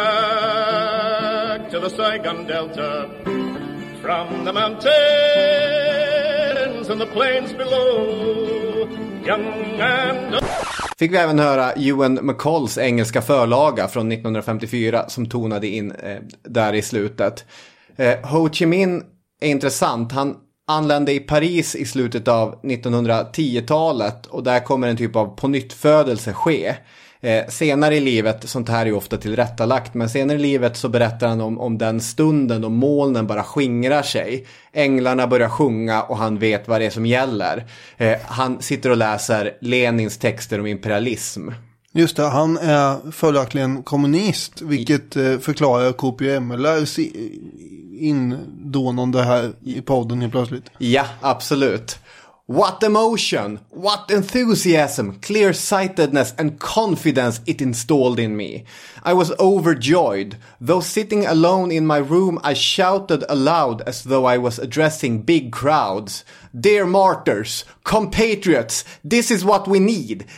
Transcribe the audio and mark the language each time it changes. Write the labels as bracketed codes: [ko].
[en] Back to the Saigon Delta, from the mountains and the plains below, young and old. [sv] Fick vi även höra Ewan McColls engelska förlaga från 1954 som tonade in där i slutet. Ho Chi Minh är intressant. Han anlände i Paris i slutet av 1910-talet och där kommer en typ av pånyttfödelse ske. Senare i livet, sånt här är ju ofta tillrättalagt, men senare i livet så berättar han om den stunden då molnen bara skingrar sig. Änglarna börjar sjunga och han vet vad det är som gäller. Han sitter och läser Lenins texter om imperialism. Just det, han är följaktligen kommunist, vilket förklarar KPMLRs indånande här i podden helt plötsligt. Ja, absolut. [en] What emotion, what enthusiasm, clear-sightedness and confidence it installed in me. I was overjoyed. Though sitting alone in my room, I shouted aloud as though I was addressing big crowds. Dear martyrs, compatriots, this is what we need.